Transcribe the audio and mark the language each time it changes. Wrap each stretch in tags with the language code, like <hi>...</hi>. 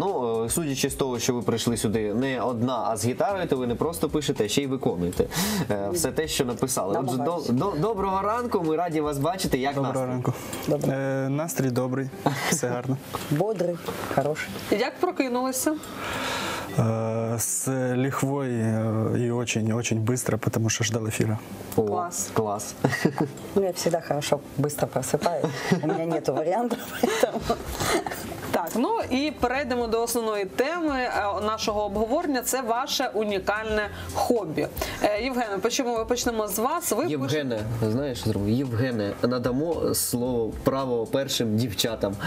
<uk>Ну, судячи з того, що ви прийшли сюди не одна, а з гітарою, то ви не просто пишете, а ще й виконуєте все те, що написали. Отже, доброго ранку, ми раді вас бачити. Як настрій? Доброго ранку. Настрій добрий, все гарно. Бодрий, хороший. Як прокинулися?</uk> <ru>С лихвой и очень-очень быстро, потому что ждал эфира. О, класс. Класс. Ну, я всегда хорошо быстро просыпаюсь, у меня нету вариантов, поэтому...</ru> <uk>Так, ну і перейдемо до основної теми нашого обговорення. Це ваше унікальне хобі. Євгене, почнемо з вас. Євгене, знаєш, що зробимо? Євгене, надамо слово право першим дівчатам.</uk>